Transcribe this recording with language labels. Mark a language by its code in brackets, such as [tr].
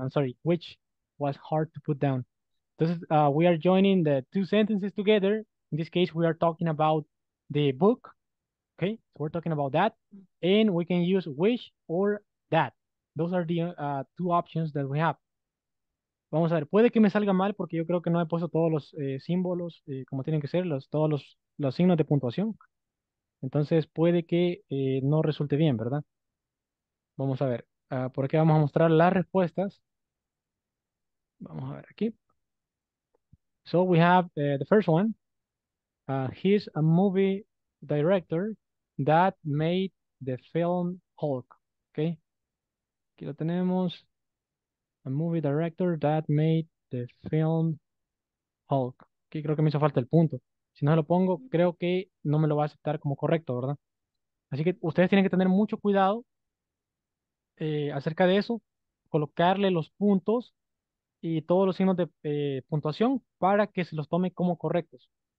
[en] I'm sorry, which was hard to put down. [es] Entonces, [en] we are joining the two sentences together. In this case, we are talking about the book. Okay, so we're talking about that. And we can use which or that. Those are the two options that we have. [es] Vamos a ver, puede que me salga mal porque yo creo que no he puesto todos los símbolos como tienen que ser, todos los signos de puntuación. Entonces puede que no resulte bien, ¿verdad? Vamos a ver, por aquí vamos a mostrar las respuestas. Vamos a ver aquí. [en] So we have the first one. He's a movie director that made the film Hulk. Okay. [es] Aquí lo tenemos. [en] A movie director that made the film Hulk. [es] Aquí creo que me hizo falta el punto. Si no lo pongo, creo que no me lo va a aceptar como correcto, ¿verdad? Así que ustedes tienen que tener mucho cuidado acerca de eso. Colocarle los puntos y todos los signos de puntuación para que se los tome como correctos.